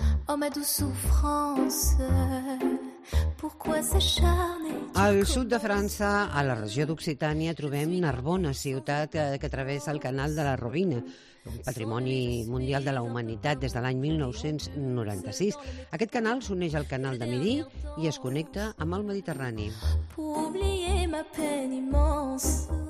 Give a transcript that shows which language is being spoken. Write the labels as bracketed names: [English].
[French] Oh, ma douce souffrance, pourquoi s'acharner? [Catalan] Al sud de França, a la regió d'Occitània, trobem Narbona, ciutat que travessa el canal de la Robina, un patrimoni mundial de la humanitat des de l'any 1996. Aquest canal s'uneix al canal de Midi i es connecta amb el Mediterrani. [French] Pour oublier ma peine immense.